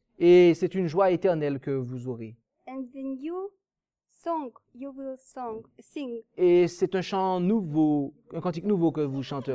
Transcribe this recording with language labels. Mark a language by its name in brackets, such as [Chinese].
[French] Et c'est une joie éternelle que vous aurez. [English] And the new song you will song, sing. [French] Et c'est un chant nouveau, un cantique nouveau que vous chanterez.